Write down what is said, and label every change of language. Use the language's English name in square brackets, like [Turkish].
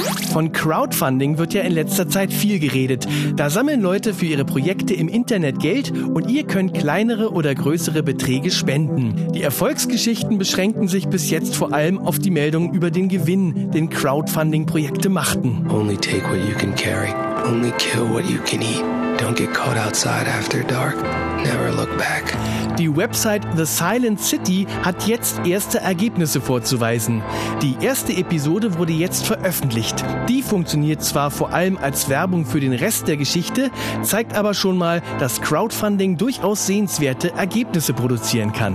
[German] Von Crowdfunding wird ja in letzter Zeit viel geredet. Da sammeln Leute für ihre Projekte im Internet Geld und ihr könnt kleinere oder größere Beträge spenden. Die Erfolgsgeschichten beschränkten sich bis jetzt vor allem auf die Meldungen über den Gewinn, den Crowdfunding-Projekte machten. [English] Only take what you can carry. Only kill what you can eat. Don't get caught outside after dark. Never look back. [German] Die Website The Silent City hat jetzt erste Ergebnisse vorzuweisen. Die erste Episode wurde jetzt veröffentlicht. Die funktioniert zwar vor allem als Werbung für den Rest der Geschichte, zeigt aber schon mal, dass Crowdfunding durchaus sehenswerte Ergebnisse produzieren kann.